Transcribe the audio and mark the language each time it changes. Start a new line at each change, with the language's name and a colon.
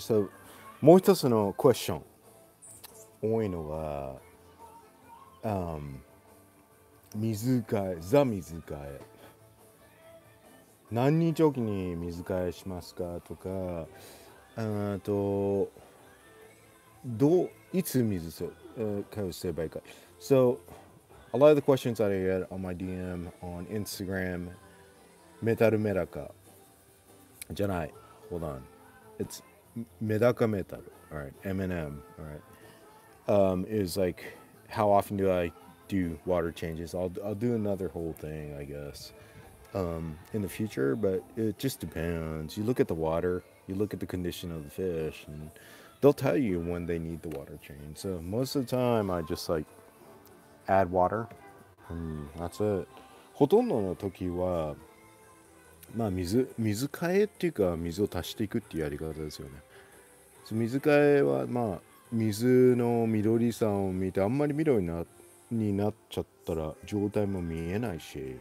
Japanese: So, もう一つのクエスチョン多いのは、水替え、ザ水替え。何日おきに水替えしますかとか、どういつ水替えをすればいいか。
English: So, a lot of the questions that I get on my DM, on Instagram, Metal Medaka,
Japanese: じゃない、
English: hold on, it's MedakaMetal, alright, M&M, alright, is like, how often do I do water changes? I'll do another whole thing, I guess. In the future, but it just depends. You look at the water, you look at the condition of the fish, and they'll tell you when they need the water change. So most of the time, I just like add water, and that's it.
Japanese: ほとんどの時は、まあ水替えっていうか水を足していくっていうやり方ですよね。 So, 水替えはまあ水の緑さを見て、あんまり緑になっちゃったら状態も見えないし。